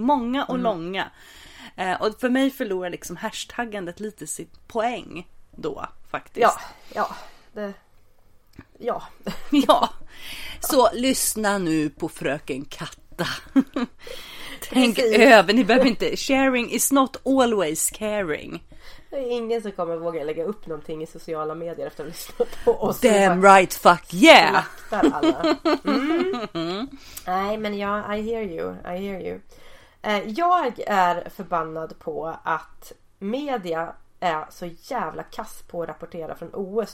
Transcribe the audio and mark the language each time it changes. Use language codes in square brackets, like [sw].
[sv] Många och långa. Och för mig förlorar liksom hashtaggandet lite sitt poäng då, faktiskt. Ja, ja. Det, ja. Ja. Så lyssna nu på fröken Katta. Tänk precis över, ni behöver inte. [en] Sharing is not always caring. [sv] Det är ingen som kommer våga lägga upp någonting i sociala medier efter att ha lyssnat på oss. [en] Damn right, fuck yeah! [sv] Nej, men ja, [en] I hear you. I hear you. [sv] Jag är förbannad på att media är så jävla kass på att rapportera från OS.